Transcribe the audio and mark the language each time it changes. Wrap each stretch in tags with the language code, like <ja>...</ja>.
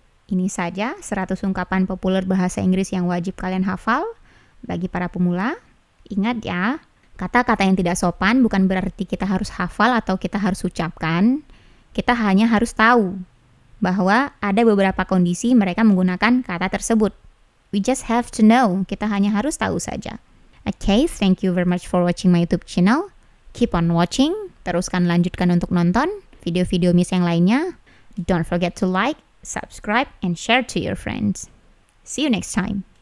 <id>Ini saja 100 ungkapan populer bahasa Inggris yang wajib kalian hafal bagi para pemula. Ingat ya, kata-kata yang tidak sopan bukan berarti kita harus hafal atau kita harus ucapkan. Kita hanya harus tahu bahwa ada beberapa kondisi mereka menggunakan kata tersebut.</id> <en>We just have to know.</en> <id>Kita hanya harus tahu saja.</id> <en>Okay, thank you very much for watching my YouTube channel. Keep on watching.</en> <id>Teruskan lanjutkan untuk nonton video-video Miss yang lainnya.</id> <en>Don't forget to like, subscribe, and share to your friends. See you next time.</en>